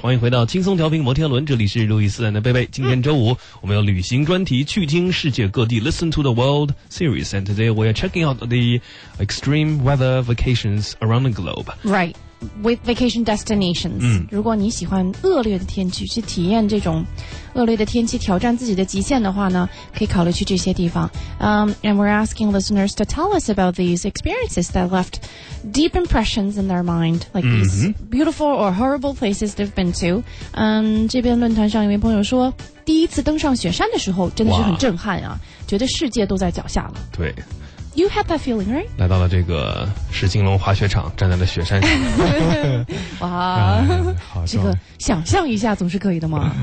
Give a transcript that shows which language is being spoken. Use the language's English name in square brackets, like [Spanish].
[Chinese] 欢迎回到轻松调频摩天轮，这里是路易斯兰的贝贝。今天周五，我们要旅行专题，去听世界各地 Listen to the World Series。 [English] And today we are checking out the extreme weather vacations around the globe. Right, with vacation destinations、 [Chinese] 如果你喜欢恶劣的天气，去体验这种恶劣的天气，挑战自己的极限的话呢，可以考虑去这些地方。 [English] And we're asking listeners to tell us about these experiences that left deep impressions in their mind, like、these beautiful or horrible places they've been to. [Chinese] 这边论坛上一位朋友说，第一次登上雪山的时候真的是很震撼啊，觉得世界都在脚下了。对。 [English] You have that feeling, right? [Chinese] 来到了这个石金龙滑雪场，站在了雪山上。哇、这个想象一下总是可以的嘛。